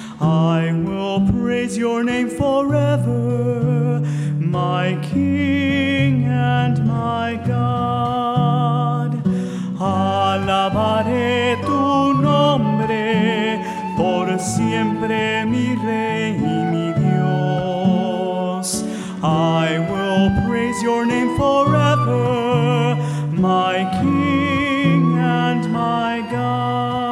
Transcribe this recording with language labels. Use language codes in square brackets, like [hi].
[en] I will praise your name forever, my King and my God. [es] Alabaré tu nombre por siempre mi rey y mi Dios. [en] I will praise your name forever, my King and my God.